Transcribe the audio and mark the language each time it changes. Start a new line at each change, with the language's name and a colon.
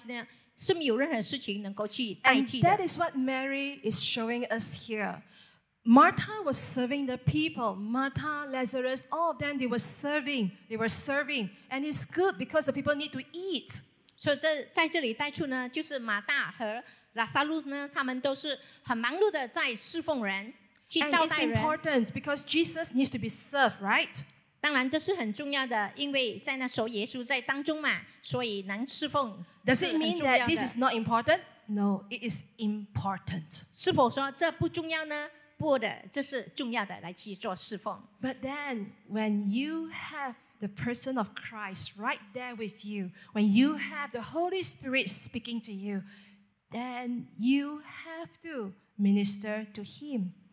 Chinese: 跟你自己本身跟耶稣之间专注在与他的关系呢，是世人之间关系呢，是没有任何事情能够去代替的。
English: That is what Mary is showing us here. Martha was serving the people. Martha, Lazarus, all of them, they were serving. They were serving, and it's good because the people need to eat.
Chinese: 所以在这里带出呢，就是马大和拉撒路呢，他们都是很忙碌的在侍奉人，去招待人。
English: And it's important because Jesus needs to be served, right?
Chinese: 当然这是很重要的，因为在那时候耶稣在当中嘛，所以能侍奉。
English: Does it mean that this is not important? No, it is important.
Chinese: 是否说这不重要呢？不的，这是重要的，来去做侍奉。
English: But then, when you have the person of Christ right there with you, when you have the Holy Spirit speaking to you, then you have to minister to Him.